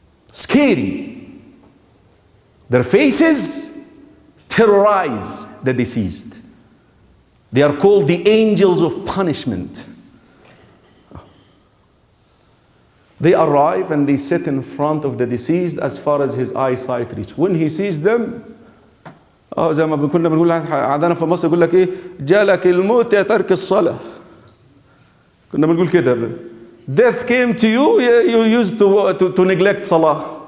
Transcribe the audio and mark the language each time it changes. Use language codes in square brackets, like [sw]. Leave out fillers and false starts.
[en] Scary. Their faces terrorize the deceased. They are called the angels of punishment. They arrive and they sit in front of the deceased as far as his eyesight reaches. When he sees them, [ar] زي ما كنا بنقول عادنا في مصر يقول لك ايه جالك الموت يا ترك الصلاة. كنا بنقول كده. [en] Death came to you, you used to neglect salah.